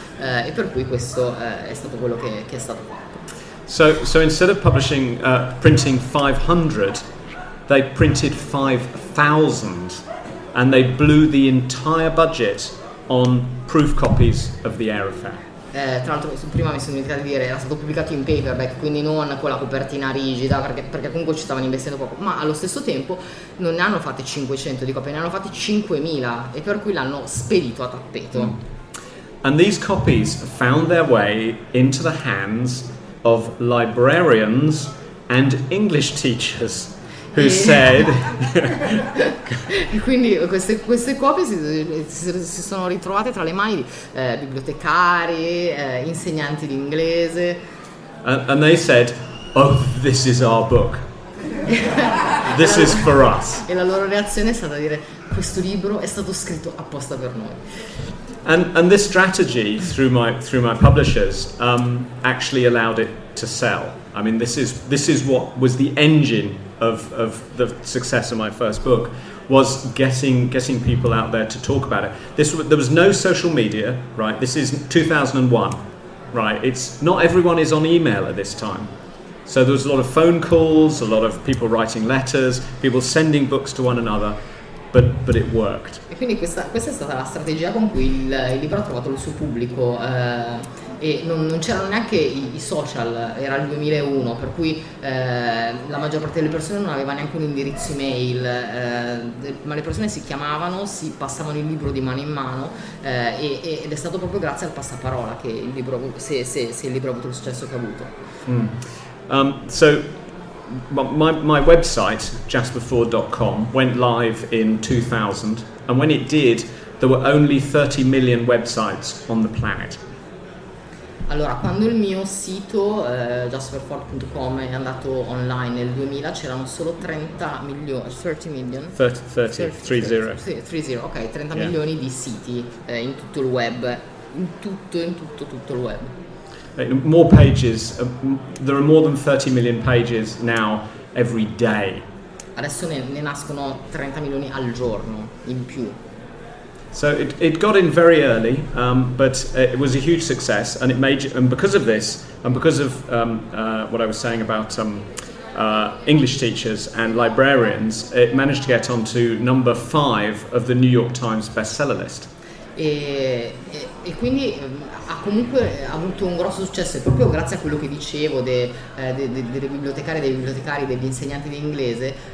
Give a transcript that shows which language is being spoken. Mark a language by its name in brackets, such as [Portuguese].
[Italian] E per cui questo è stato quello che è stato fatto. [English] So instead of publishing printing 500, they printed 5,000 and they blew the entire budget on proof copies of The Air Affair. [Italian] Tra l'altro, prima mi sono dimenticato di dire, era stato pubblicato in paperback, quindi non con la copertina rigida, perché comunque ci stavano investendo poco, ma allo stesso tempo non ne hanno fatte 500 di copie, ne hanno fatte 5,000 e per cui l'hanno spedito a tappeto. Mm. [English] And these copies found their way into the hands of librarians and English teachers. Who said? [Italian] Quindi queste copie si sono ritrovate tra le mani di bibliotecari, insegnanti di inglese. [English] And they said, "Oh, this is our book. This is for us." [Italian] E la loro reazione è stata dire: "Questo libro è stato scritto apposta per noi." [English] And this strategy through my publishers actually allowed it to sell. I mean, this is what was the engine of the success of my first book, was getting people out there to talk about it. There was no social media, right? This is 2001, right? It's not everyone is on email at this time. So there was a lot of phone calls, a lot of people writing letters, people sending books to one another, but it worked. [Italian] E quindi questa è stata la strategia con cui il libro ha trovato il suo pubblico. E non c'erano neanche i social, era il 2001, per cui la maggior parte delle persone non aveva neanche un indirizzo email, ma le persone si chiamavano, si passavano il libro di mano in mano ed è stato proprio grazie al passaparola che il libro ha avuto il successo che ha avuto. Mm. [English] So my website jasperford.com went live in 2000, and when it did there were only 30 million websites on the planet. [Italian] Allora, quando il mio sito justforfood.com è andato online nel 2000 c'erano solo 30 yeah. milioni di siti in tutto il web, in tutto il web. [English] More pages, there are more than 30 million pages now every day. [Italian] Adesso ne nascono 30 milioni al giorno in più. [English] So it got in very early, but it was a huge success, and it made, and because of this, and because of what I was saying about English teachers and librarians, it managed to get onto number 5 of the New York Times bestseller list. [Italian] E quindi ha comunque avuto un grosso successo proprio grazie a quello che dicevo dei bibliotecari, degli insegnanti di inglese.